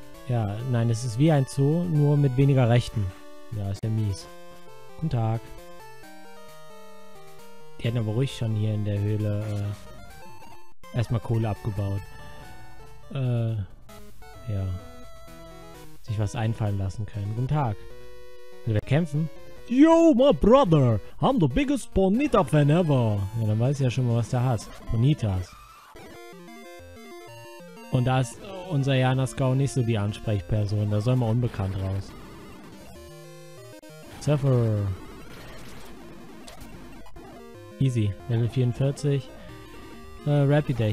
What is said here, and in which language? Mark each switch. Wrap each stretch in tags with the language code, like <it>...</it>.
<de>Ja, nein, es ist wie ein Zoo, nur mit weniger Rechten. Ja, ist ja mies. Guten Tag. Die hätten aber ruhig schon hier in der Höhle erstmal Kohle abgebaut. Ja. Sich was einfallen lassen können. Guten Tag. Will er kämpfen?</de> <en>Yo, my brother! I'm the biggest Bonita-Fan ever!</en> <de>Ja, dann weiß ich ja schon mal, was der hat. Bonitas. Und da ist unser Janaskau nicht so die Ansprechperson. Da soll man unbekannt raus. Zephyr. Easy. Level 44. Rapidash.</de>